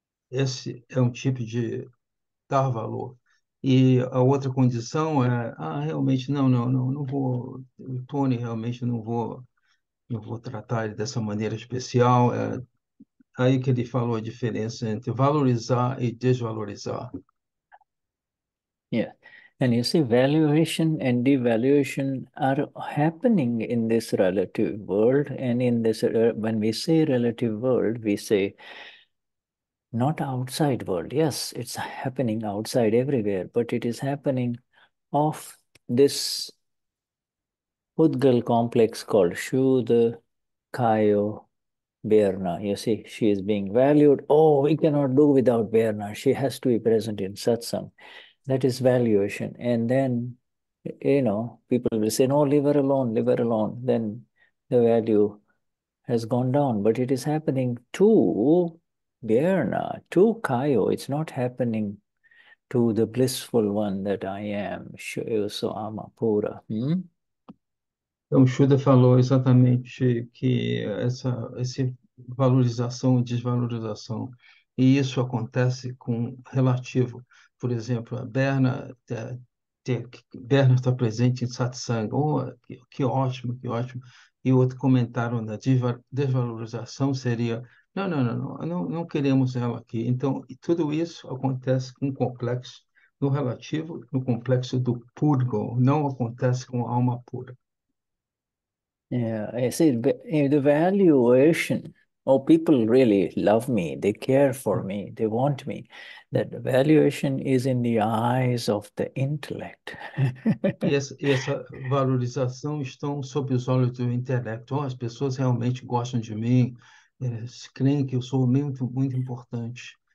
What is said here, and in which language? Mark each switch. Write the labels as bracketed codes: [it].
[pt] Esse é um tipo de dar valor. E a outra condição é, realmente, não vou, o Tony realmente não vou tratar ele dessa maneira especial. É aí que ele falou a diferença entre valorizar e desvalorizar. [en] And you see, valuation and devaluation are happening in this relative world. And in this, when we say relative world, we say not outside world. Yes, it's happening outside everywhere, but it is happening of this Pudgal complex called Shuddha, Kayo, Berna. You see, she is being valued. Oh, we cannot do without Berna. She has to be present in satsang. That is valuation. And then, people will say, no, leave her alone, leave her alone. Then the value has gone down. But it is happening to Berna, to Kayo. It's not happening to the blissful one that I am, Shoyoso Amapura. [pt] Então, Shuddha falou exatamente que essa valorização e desvalorização, e isso acontece com relativo. Por exemplo, a Berna está presente em satsang. Oh, que ótimo, que ótimo. E outro comentário da desvalorização seria: não queremos ela aqui. Então, tudo isso acontece com o complexo no relativo, no complexo do Purgo, não acontece com a alma pura. [en] Yeah, I said the valuation. People really love me. They care for me. They want me. That valuation is in the eyes of the intellect. [pt] E essa valorização estão sob os olhos do intelecto. Oh, as pessoas realmente gostam de mim, creem que eu sou muito, muito importante.